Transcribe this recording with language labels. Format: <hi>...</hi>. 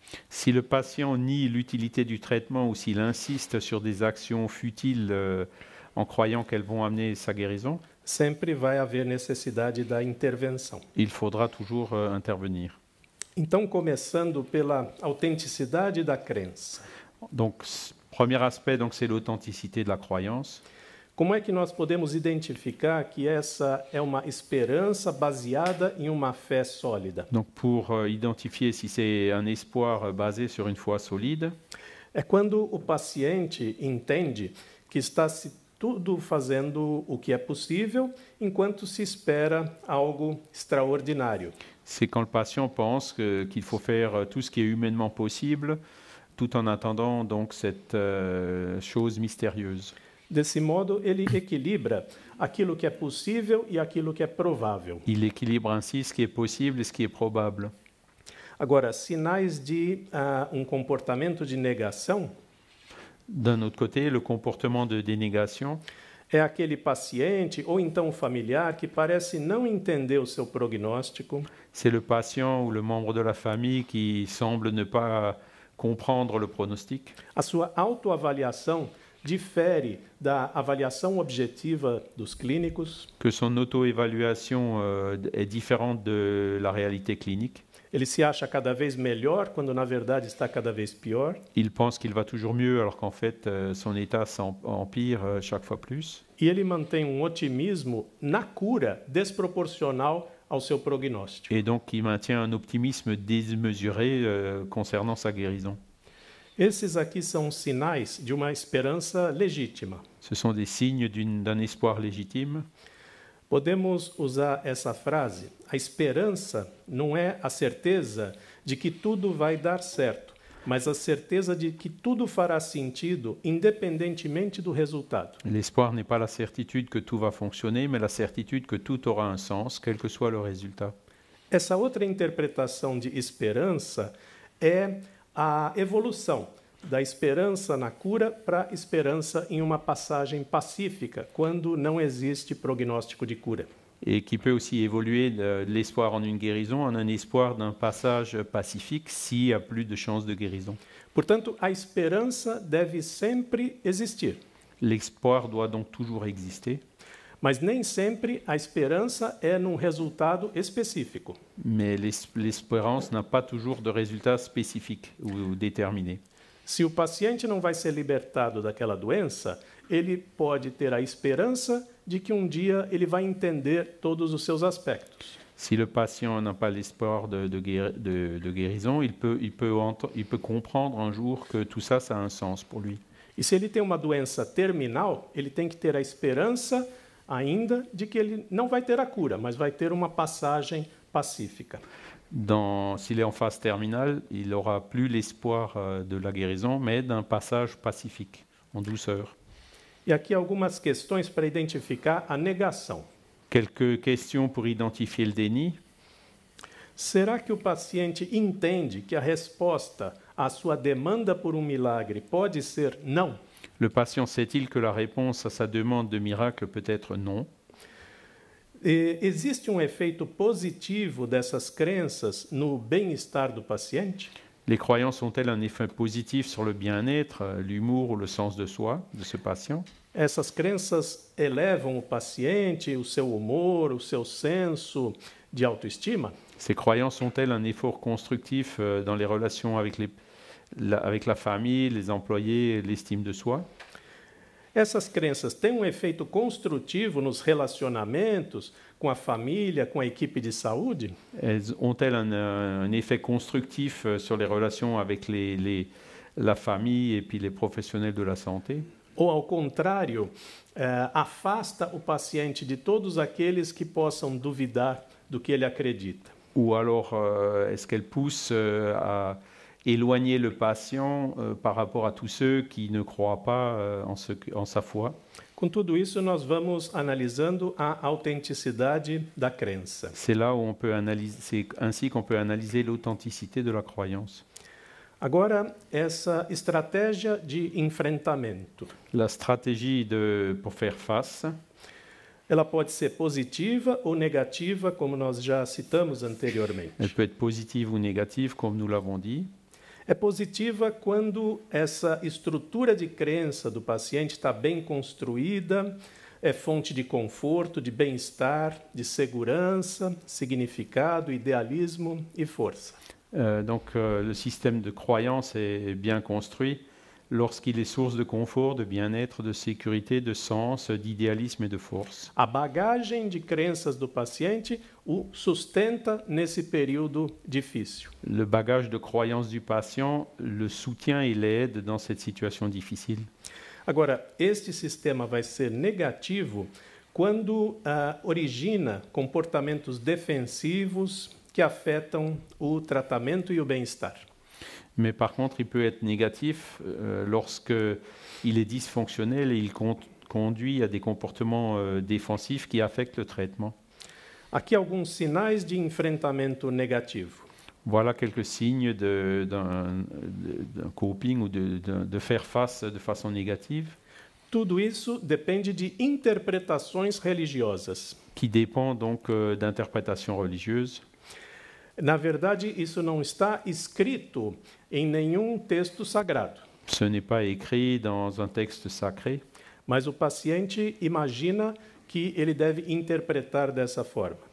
<fr>Si le patient nie l'utilité du traitement ou s'il insiste sur des actions futiles en croyant qu'elles vont amener sa guérison,</fr> <pt>sempre vai haver necessidade da intervenção.</pt> <fr>Il faudra toujours intervenir.</fr> <pt>Então, começando pela autenticidade da crença.</pt> <fr>Donc, premier aspect, donc, c'est l'authenticité de la croyance.</fr> <pt>Como é que nós podemos identificar que essa é uma esperança baseada em uma fé sólida?</pt> <fr>Donc, pour identifier si c'est un espoir basé sur une foi solide.</fr> <pt>É quando o paciente entende que está se tudo fazendo o que é possível enquanto se espera algo extraordinário.</pt> <fr>C'est quand le patient pense que, qu'il faut faire tout ce qui est humainement possible tout en attendant donc cette chose mystérieuse.</fr> <pt>Desse modo, ele equilibra aquilo que é possível e aquilo que é provável.</pt> <fr>Il équilibre ainsi ce qui est possible et ce qui est probable.</fr> <pt>Agora, sinais de um comportamento de negação.</pt> <fr>D'un autre côté, le comportement de dénégation.</fr> <pt>É aquele paciente ou então familiar que parece não entender o seu prognóstico.</pt> <fr>C'est le patient ou le membre de la famille qui semble ne pas comprendre le pronostic.</fr> <pt>A sua auto-avaliação difere da avaliação objetiva dos clínicos.</pt> <fr>Que son auto-évaluation est différente de la réalité clinique.</fr> <pt>Ele se acha cada vez melhor quando na verdade está cada vez pior.</pt> <fr>Il pense qu'il va toujours mieux alors qu'en fait son état s'empire chaque fois plus.</fr> <pt>E ele mantém otimismo na cura desproporcional ao seu prognóstico.</pt> <fr>Et donc il maintient un optimisme démesuré concernant sa guérison.</fr> <pt>Esses aqui são sinais de uma esperança legítima.</pt> <fr>Ce sont des signes d'un espoir légitime.</fr> <pt>Podemos usar essa frase: a esperança não é a certeza de que tudo vai dar certo, mas a certeza de que tudo fará sentido independentemente do resultado.</pt> <fr>L'espoir n'est pas la certitude que tout va fonctionner, mais la certitude que tout aura un sens, quel que soit le résultat.</fr> <pt>Essa outra interpretação de esperança é a evolução da esperança na cura para esperança em uma passagem pacífica, quando não existe prognóstico de cura. E que pode</pt> <fr>aussi évoluer l'espoir en une guérison en un espoir d'un passage pacifique s'il n'y a plus de chance de guérison.</fr> <pt>Portanto, a esperança deve sempre existir.</pt> <fr>L'espoir doit donc toujours exister.</fr> <pt>Mas nem sempre a esperança é num resultado específico.</pt> <fr>Mais l'espérance n'a pas toujours de résultat spécifique ou déterminé.</fr> <pt>Se o paciente não vai ser libertado daquela doença, ele pode ter a esperança de que dia ele vai entender todos os seus aspectos.</pt> <fr>Si le patient n'a pas l'espoir de guérison, il peut comprendre un jour que tout ça, ça a un sens pour lui.</fr> <pt>E se ele tem uma doença terminal, ele tem que ter a esperança ainda de que ele não vai ter a cura, mas vai ter uma passagem pacífica.</pt> <fr>S'il est en phase terminale, il n'aura plus l'espoir de la guérison, mais d'un passage pacifique, en douceur. Et ici,</fr> <pt>algumas questões para identificar a negação.</pt> <fr>Quelques questions pour identifier le déni.</fr> <pt>Será que o paciente entende que a resposta à sua demanda por milagre pode ser não?</pt> <fr>Le patient sait-il que la réponse à sa demande de miracle peut être non?</fr> <pt>Existe efeito positivo dessas crenças no bem-estar do paciente?</pt> <fr>Les croyances ont-elles un effet positif sur le bien-être, l'humour ou le sens de soi de ce patient?</fr> <pt>Essas crenças elevam o paciente, o seu humor, o seu senso de autoestima?</pt> <fr>Ces croyances ont-elles un effort constructif dans les relations avec la famille, les employés, l'estime de soi?</fr> <pt>Essas crenças têm efeito construtivo nos relacionamentos com a família, com a equipe de saúde?</pt> <fr>Elles ont-elles un effet constructif sur les relations avec la famille et puis les professionnels de la santé?</fr> <pt>Ou ao contrário, afasta o paciente de todos aqueles que possam duvidar do que ele acredita?</pt> <fr>Ou alors est-ce qu'elle pousse à éloigner le patient par rapport à tous ceux qui ne croient pas en sa foi.</fr> <pt>Com tudo isso, nós vamos analisando a autenticidade da crença.</pt> <fr>C'est là où on peut analyser, c'est ainsi qu'on peut analyser l'authenticité de la croyance.</fr> <pt>Agora, essa estratégia de enfrentamento.</pt> <fr>La stratégie pour faire face.</fr> <pt>Ela pode ser positiva ou negativa, como nós já citamos anteriormente.</pt> <fr>Elle peut être positive ou négative, comme nous l'avons dit.</fr> <pt>É positiva quando essa estrutura de crença do paciente está bem construída, é fonte de conforto, de bem-estar, de segurança, significado, idealismo e força.</pt> <fr>Le système de croyance est bien construit lorsqu'il est source de confort, de bien-être, de sécurité, de sens, d'idéalisme et de force.</fr> <pt>A bagagem de crenças do paciente o sustenta nesse período difícil.</pt> <fr>Le bagage de croyances du patient le soutient et l'aide dans cette situation difficile.</fr> <pt>Agora, este sistema vai ser negativo quando origina comportamentos defensivos que afetam o tratamento e o bem-estar.</pt> <fr>Mais par contre, il peut être négatif lorsqu'il est dysfonctionnel et il conduit à des comportements défensifs qui affectent le traitement.</fr> <pt>Aqui alguns sinais de enfrentamento negativo.</pt> <fr>Voilà quelques signes d'un coping ou de faire face de façon négative.</fr> <pt>Tudo isso depende de interpretações religiosas.</pt> <fr>Qui dépend donc d'interprétations religieuses.</fr> <pt>Na verdade, isso não está escrito em nenhum texto sagrado.</pt> <fr>Ce n'est pas écrit dans un texte sacré.</fr> <pt>Mas o paciente imagina que ele deve interpretar dessa forma.</pt>